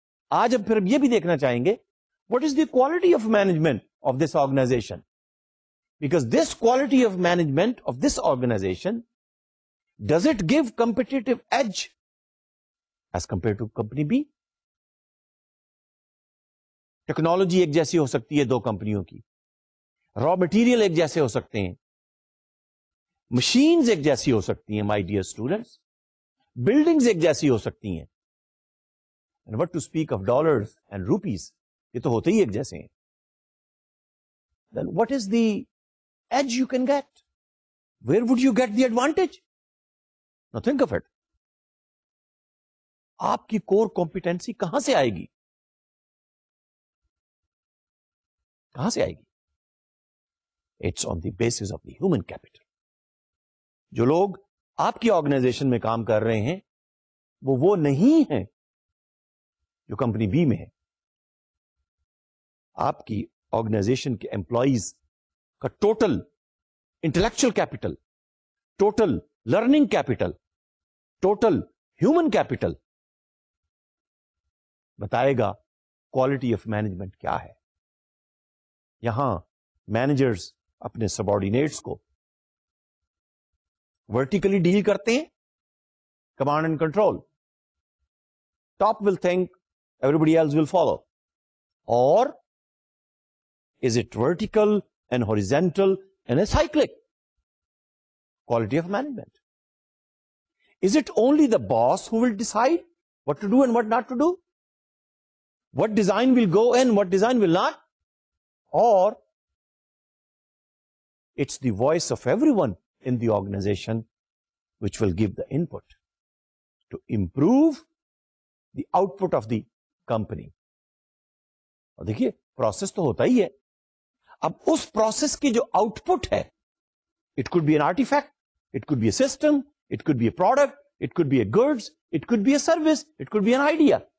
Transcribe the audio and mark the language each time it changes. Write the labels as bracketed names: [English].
[Urdu] آج اب پھر یہ بھی دیکھنا چاہیں گے [English] what is the quality of management of this organization, because this quality of management of this organization, does it give competitive edge as compared to company B? [Urdu] Technology ایک جیسی ہو سکتی ہے دو کمپنیوں کی, raw material ایک جیسے ہو سکتے ہیں, machines ایک جیسی ہو سکتی ہیں [English] my dear students, [Urdu] buildings ایک جیسی ہو سکتی ہیں. [English] And what to speak of dollars and rupees, [Urdu] یہ تو ہوتے ہی ایک جیسے ہیں. [English] Then what is the edge you can get? Where would you get the advantage? Now think of it. [Urdu] آپ کی core competency کہاں سے آئے گی, کہاں سے آئے گی؟ [English] It's on the basis of the human capital. [Urdu] جو لوگ آپ کی organization میں کام کر رہے ہیں وہ نہیں ہیں جو کمپنی بی میں ہے. آپ کی آرگنائزیشن کے امپلائیز کا total intellectual capital, total learning capital, total human capital بتائے گا کوالٹی آف مینجمنٹ کیا ہے. یہاں مینیجرز اپنے سبارڈینیٹس کو ورٹیکلی ڈیل کرتے ہیں, command and control. [English] Top will think, everybody else will follow. Or is it vertical and horizontal and a cyclic quality of management? Is it only the boss who will decide what to do and what not to do, what design will go in, what design will not? Or it's the voice of everyone in the organization which will give the input to improve the output of the company. [Urdu] اور دیکھیے process تو ہوتا ہی ہے. اب اس process کی جو out put ہے, [English] It could be an artifact, it could be a system, it could be a product, it could be a goods, it could be a service, it could be an idea.